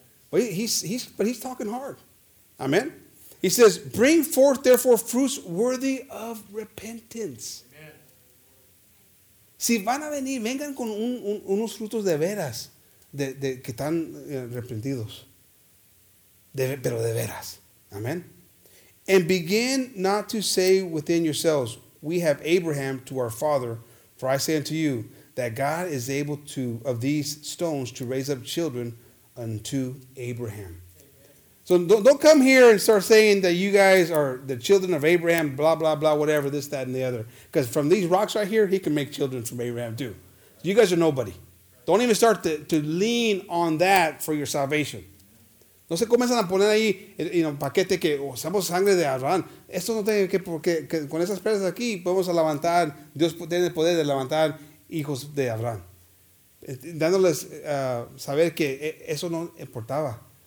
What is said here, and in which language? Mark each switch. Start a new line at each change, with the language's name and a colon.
English: But he's talking hard. Amen. He says, bring forth therefore fruits worthy of repentance.
Spanish: Amen. Si van a venir, vengan con unos frutos de veras de que están arrepentidos. Pero de veras. Amen.
English: And begin not to say within yourselves, we have Abraham to our father. For I say unto you, that God is able to, of these stones, to raise up children unto Abraham. Amen. So don't come here and start saying that you guys are the children of Abraham, blah, blah, blah, whatever, this, that, and the other. Because from these rocks right here, he can make children from Abraham too. You guys are nobody. Don't even start to lean on that for your salvation.
Spanish: No se comienzan a poner ahí en un paquete que somos sangre de Abraham. Esto no tiene que, porque con esas piedras aquí podemos levantar, Dios tiene el poder de levantar hijos de Abraham. dándoles saber que eso no importaba.